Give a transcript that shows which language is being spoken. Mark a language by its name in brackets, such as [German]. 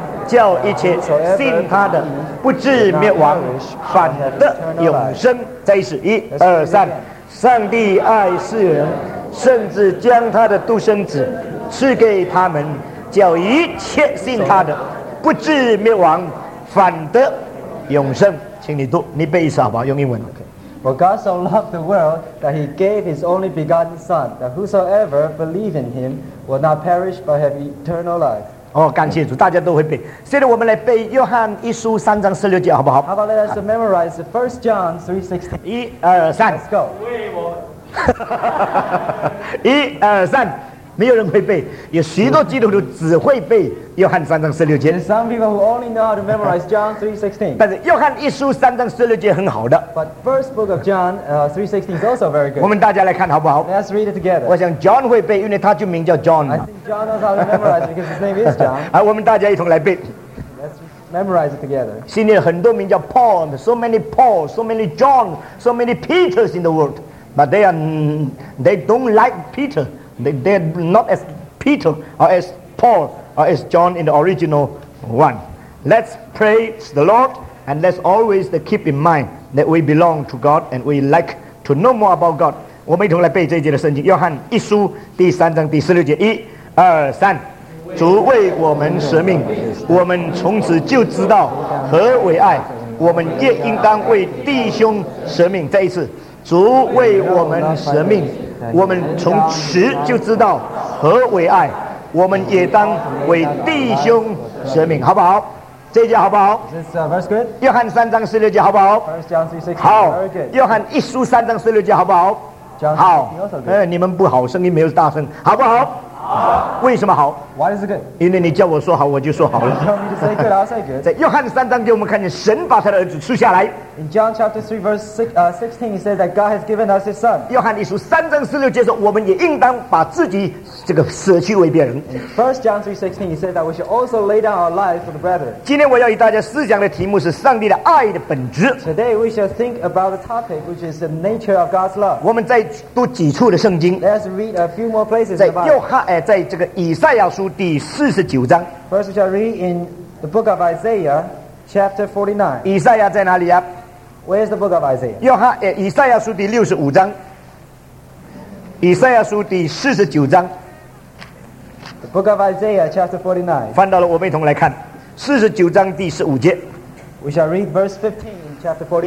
[Chinese] 叫一切信他的不至灭亡，反得永生。再一次，一二三，上帝爱世人，甚至将他的独生子赐给他们，叫一切信他的不至灭亡，反得永生。请你读，你背一次好不好？用英文。 [English] For God so loved the world that he gave his only begotten Son, that whosoever believes in him will not perish but have eternal life. [Chinese] 哦，感谢主，大家都会背。现在我们来背约翰一书三章十六节，好不好 [English] ？How about let us memorize the First John 3:16? [Chinese] 一二三 [English] ，Let's go。 [Chinese] 一二三，没有人会背，有许多基督徒只会背约翰三章十六节。 [English] There's some people who only know how to memorize John 3:16. [Chinese] 但是约翰一书三章十六节很好的。 [English] But first book of John 3:16 is also very good. [Chinese] 我们大家来看好不好 [English] ？Let's read it together. [Chinese] 我想 John 会背，因为他就名叫 John。 [English] John knows how to memorize because his name is John. [Chinese] 好，我们大家一同来背。 [English] Let's memorize it together. [Chinese] 心里很多名叫 [English] Paul, so many Paul, so many John, so many Peters in the world, but they don't like Peter. They're not as Peter or as Paul or as John in the original one. Let's praise the Lord and let's always keep in mind that we belong to God and we like to know more about God. [Chinese] 我们一同来背这一节的圣经，约翰一书第三章第十六节一。二三，主为我们舍命，我们从此就知道何为爱，我们也应当为弟兄舍命。再一次，主为我们舍命，我们从此就知道何为爱，我们也当为弟兄舍命，好不好？这一节好不好？ [English] Is this verse good? [Chinese] 约翰三章十六节好不好？ [English] First John 3:16, [Chinese] 好， [English] very good. [Chinese] 约翰一书三章十六节好不好？ [English] John 3:16, 好、 [Chinese] 哎、你们不好，声音没有大声，好不好？为什么好？ [English] Why is it good? [Chinese] 因为你叫我说好，我就说好了。 [English] You tell me to say good, I'll say good. [Chinese] 在约翰三章给我们看见神把他的儿子赐下来。 [English] In John chapter 3 verse 16, he says that God has given us his son. [Chinese] 约翰一书三章十六节说，我们也应当把自己这个舍去为别人。 [English] First John 3:16, he says that we should also lay down our lives for the brethren. [Chinese] 今天我要与大家思想的题目是上帝的爱的本质。 [English] Today we shall think about the topic which is the nature of God's love. [Chinese] 我们再读几处的圣经。 [English] Let's read a few more places. [Chinese] 在约翰在这个以赛亚书第四十九章。 [English] First we shall read in the book of Isaiah, chapter 49. [Chinese] 以赛亚在哪里呀？ [English] Where is the book of Isaiah? [Chinese] 约翰以赛亚书第六十五章，以赛亚书第四十九章。 [English] The book of Isaiah, chapter 49. [Chinese] 翻到了，我们一同来看四十九章第十五节。 [English] We shall read verse 15 in chapter 49.